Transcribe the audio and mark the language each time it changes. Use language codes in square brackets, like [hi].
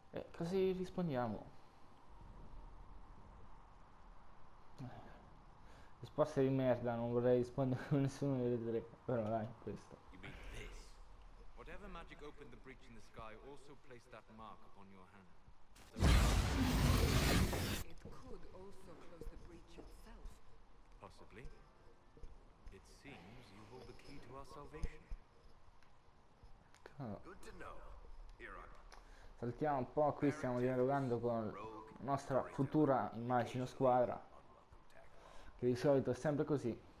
[it] Così rispondiamo. Risposte di merda, non vorrei rispondere con nessuno delle tre, però dai, questo. [en] Whatever magic opened the breach in the sky also placed that mark upon your hand. It could also close the breach itself. Possibly. It seems you hold the key to our salvation. Good to know. Here I am. [it] Saltiamo un po', qui stiamo dialogando con la nostra futura, immagino, squadra, che di solito è sempre così.